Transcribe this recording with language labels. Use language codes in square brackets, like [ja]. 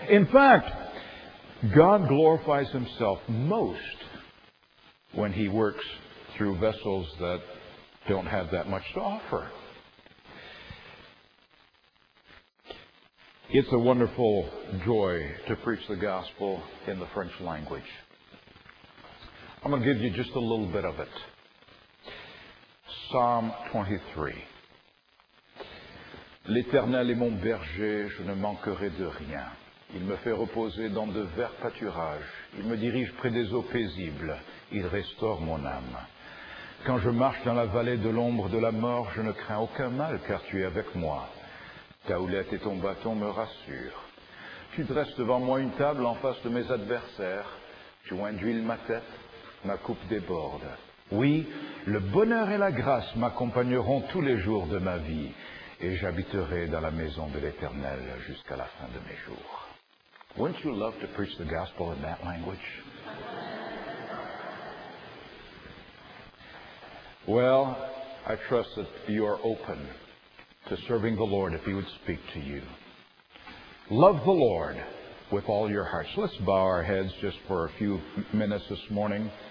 [en] In fact, God glorifies Himself most when He works through vessels that don't have that much to offer. It's a wonderful joy to preach the gospel in the French language. I'm going to give you just a little bit of it. Psalm 23. [fr] L'Éternel est mon berger, je ne manquerai de rien. Il me fait reposer dans de verts pâturages. Il me dirige près des eaux paisibles. Il restaure mon âme. Quand je marche dans la vallée de l'ombre de la mort, je ne crains aucun mal, car tu es avec moi. Ta houlette et ton bâton me rassurent. Tu dresses devant moi une table en face de mes adversaires. Tu oins d'huile ma tête, ma coupe déborde. Oui, le bonheur et la grâce m'accompagneront tous les jours de ma vie, et j'habiterai dans la maison de l'Éternel jusqu'à la fin de mes jours. [en] Wouldn't you love to preach the gospel in that language? Well, I trust that you are open to serving the Lord if He would speak to you. Love the Lord with all your hearts. Let's bow our heads just for a few minutes this morning.